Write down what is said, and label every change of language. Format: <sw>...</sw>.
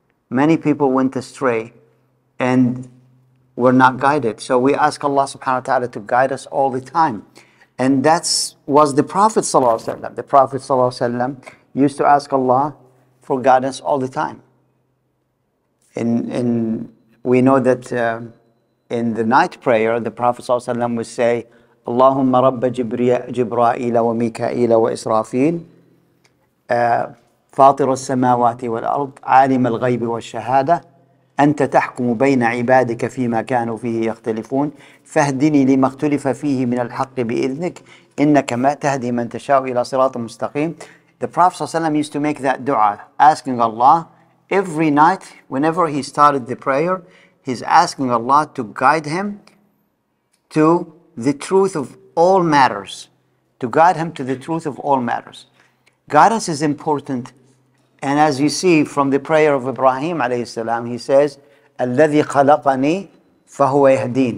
<en>Many people went astray and were not guided. So we ask Allah subhanahu wa ta'ala to guide us all the time. And that was the Prophet sallallahu alaihi wasallam. The Prophet sallallahu alaihi wasallam used to ask Allah for guidance all the time. And we know that in the night prayer, the Prophet ﷺ would say,</en> <ar>Allahumma rabba Jibra'il wa Mika'il wa Israfil, Fatir al-Samawati wal-Ard, Alim al-Ghaybi wal-Shahada, أنت تحكم بين عبادك فيما كانوا فيه يختلفون فاهدني لما اختلف فيه من الحق بإذنك إنك ما تهدي من تشاء إلى صراط مستقيم.</ar> <en>The Prophet ﷺ used to make that dua, asking Allah every night whenever he started the prayer. He's asking Allah to guide him to the truth of all matters, to guide him to the truth of all matters. Guidance is important. And as you see from the prayer of Ibrahim alayhi salam, he says,</en> <ar>"Alladhi khalaqani fahuwa yahdin."</ar>